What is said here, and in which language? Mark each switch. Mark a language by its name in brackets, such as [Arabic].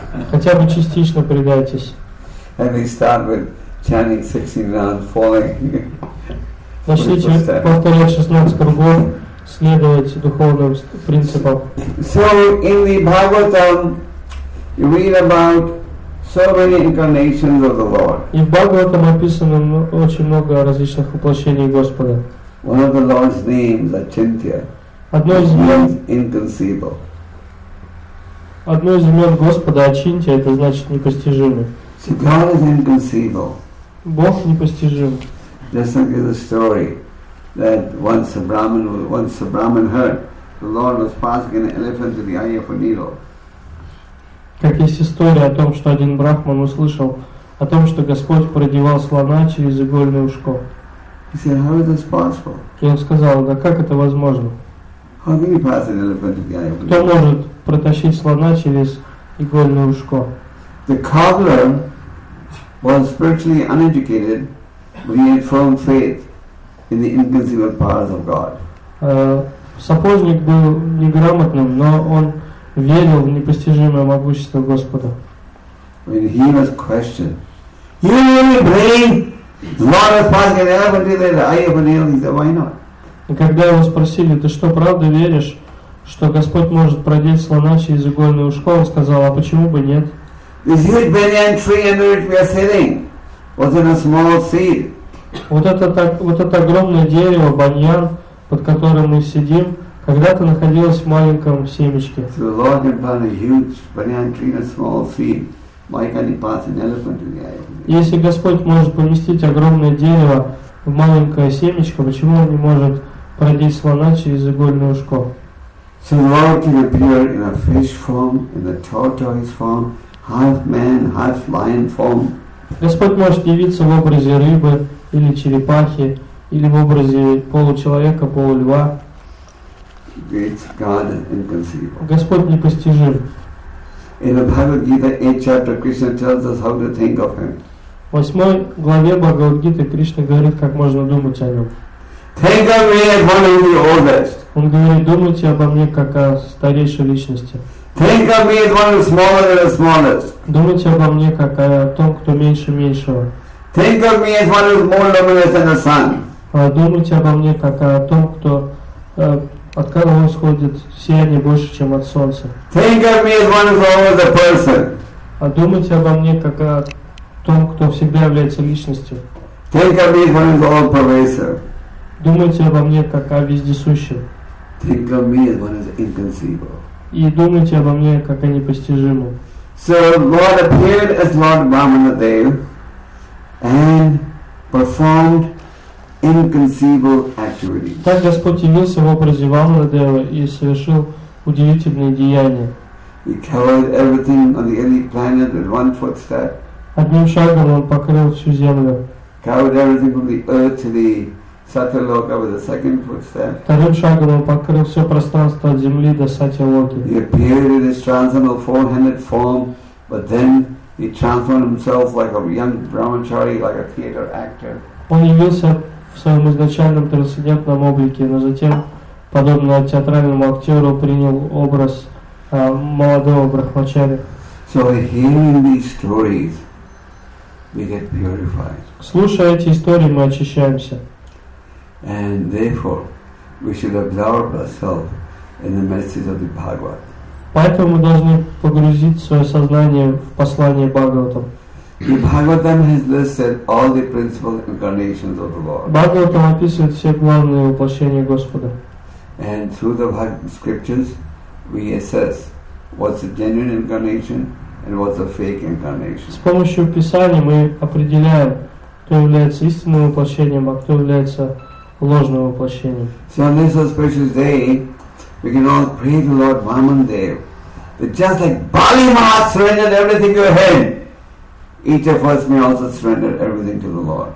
[Russian] Хотя бы частично предайтесь. [English] And they start with chanting 16 rounds, following. [Russian] Начните повторять 16 кругов, следовать духовным принципам. [English] So in the Bhagavatam, you read about so many incarnations of the Lord. [Russian] И в Бхагаватам описано очень много различных воплощений Господа. [English] One of the Lord's names, Achintya, means inconceivable. [Russian] Одно из имен Господа Ачинтия — это значит непостижимый. [English] See, God is inconceivable. [Russian] Бог непостижим. [English] Just like the story that once a Brahmin heard the Lord was passing an elephant through the eye of a needle. [Russian] Как есть история о том, что один брахман услышал о том, что Господь продевал слона через игольное ушко. [English] He said, "How is this possible?" [Russian] И он сказал: да как это возможно? [English] How can you pass an elephant through the eye of a needle? [Russian] Кто может протащить слона через игольное ушко? [English] The cobbler was spiritually uneducated, but he had firm faith in the inconceivable powers of God. [Russian] Сапожник был неграмотным, но он верил в непостижимое могущество Господа. [English] When he was questioned, "You really believe?" Lord is passing an elephant through the eye of a needle. He said, "Why not?" [Russian] И когда его спросили: ты что, правда веришь, что Господь может продеть слона через игольное ушко? Он сказал: а почему бы нет? [English] This huge banyan tree under which we are sitting was in a small seed. [Russian] Вот это огромное дерево, баньян, под которым мы сидим, когда-то находилось в маленьком семечке. [English] So the Lord can plant a huge banyan tree in a small seed. Why can't he pass an elephant through the eye of a needle? [Russian] Если Господь может поместить огромное дерево в маленькое семечко, почему он не может пройти слона через игольное ушко? [English] So the Lord can appear in a fish form, in a tortoise form, half man, half lion form. [Russian] Господь может явиться в образе рыбы или черепахи, или в образе получеловека, полулька. [English] which God inconceivable. [Russian] Господь непостижим. [English] In the Bhagavad Gita 8th chapter, Krishna tells us how to think of Him. [Russian] В 8 главе Бхагавад Гиты Кришна говорит, как можно думать о Нем. [English] Think of me as one of the oldest. [Russian] Он говорит, думайте обо мне как о старейшей личности. [English] Think of me as one of the smaller than the smallest. [Russian] Думайте обо мне как о том, кто меньше меньшего. [English] Think of me as one of the more luminous than the sun. [Russian] Думайте обо мне как о том, кто от кого исходит сияние больше, чем от солнца. [English] Think of me as one of the smallest person. [Russian] Думайте обо мне как о том, кто всегда является личностью. [English] Think of me as one of the all pervasive. [Russian] Думайте обо мне как о вездесущем. [English] Think of me as one of the inconceivable. [Russian] И думайте обо мне как о непостижимом. [English] So Lord appeared as Lord Brahmanadev and performed inconceivable activities. [Russian] Так Господь явился в образе Брамадева и совершил удивительные деяния. [English] He covered everything on the early planet with one footstep. [Russian] Одним шагом он покрыл всю землю. [English] Covered everything from the earth to the Satyaloka with a second footstep. [Russian] Вторым шагом он покрыл все пространство от земли до Сатьялоки. [English] He appeared in his transcendental four-handed form, but then he transformed himself like a young brahmachari, like a theater actor. [Russian] Он явился в своем изначальном трансцендентном облике, но затем, подобно театральному актеру, принял образ молодого брахмачари. [English] So hearing these stories, we get purified. [Russian] Слушая эти истории, мы очищаемся. [English] And therefore, we should absorb ourselves in the messages of the Bhagavad. [Russian] Поэтому мы должны погрузить свое сознание в послание Бхагаватам. [English] The Bhagavatam has listed all the principal incarnations of the Lord. [Russian] Бхагаватам описывает все главные воплощения Господа. [English] And through the scriptures, we assess what's a genuine incarnation and what's a fake incarnation. [Russian] С помощью Писания мы определяем, кто является истинным воплощением, а кто является ложного воплощения. [English] So on this auspicious day, we can all pray to Lord Vamandev that just like Bali Maharaj surrendered everything to Him, each of us may also surrender everything to the Lord.